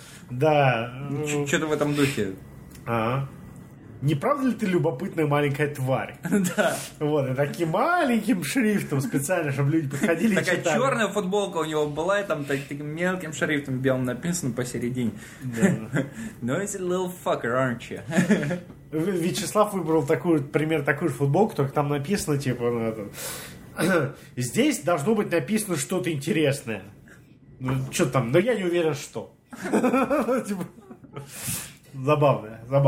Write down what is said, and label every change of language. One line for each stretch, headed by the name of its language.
Russian: Да. Что-то в этом духе. А. Не правда ли ты любопытная маленькая тварь? Да. Вот, и таким маленьким шрифтом специально, чтобы люди подходили и читали. Такая черная футболка у него была, и там таким мелким шрифтом белым написано посередине. Да.
English: Noisy little fucker, aren't you?
Russian: Вячеслав выбрал такую же футболку, только там написано, типа, на этом. Здесь должно быть написано что-то интересное. Ну, что там, но я не уверен, что. Забавно.